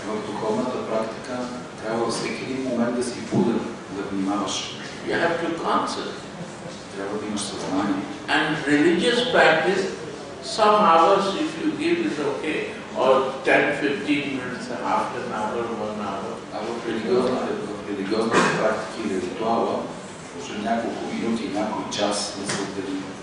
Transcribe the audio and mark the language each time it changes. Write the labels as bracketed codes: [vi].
[bg] В духовната практика трябва всеки един момент да си буден, да внимаваш. [en] You have to concert. [bg] Трябва да имаш съзнание. [en] And religious practice, some hours if you give is okay, or 10-15 minutes, half an hour, 1 hour. [bg] А в религиозната практика или ритуала, може няколко минути, някой час да се отдели.